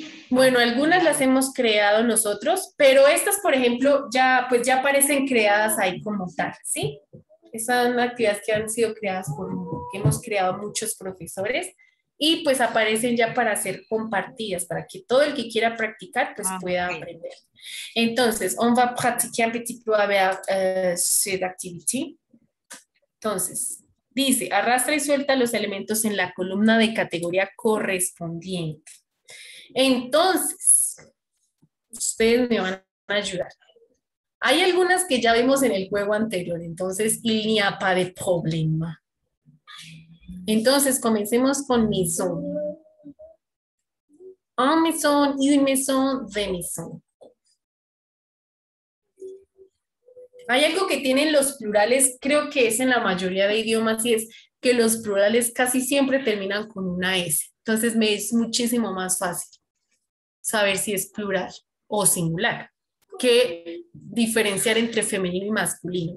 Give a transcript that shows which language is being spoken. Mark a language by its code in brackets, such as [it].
[es] Bueno, algunas las hemos creado nosotros, pero estas, por ejemplo, ya, pues ya aparecen creadas ahí como tal, ¿sí? Esas son actividades que han sido creadas por, que hemos creado muchos profesores, y pues aparecen ya para ser compartidas, para que todo el que quiera practicar, pues pueda aprender. [fr] Entonces, on va pratiquer un petit peu avec cette activité. [es] Entonces, dice, arrastra y suelta los elementos en la columna de categoría correspondiente. Entonces, ustedes me van a ayudar. Hay algunas que ya vimos en el juego anterior, entonces, [fr] il n'y a pas de problème. [es] Entonces, comencemos con maison. [fr] Un maison, une maison, de maison. [es] Hay algo que tienen los plurales, creo que es en la mayoría de idiomas, y es que los plurales casi siempre terminan con una S. Entonces, me es muchísimo más fácil saber si es plural o singular que diferenciar entre femenino y masculino.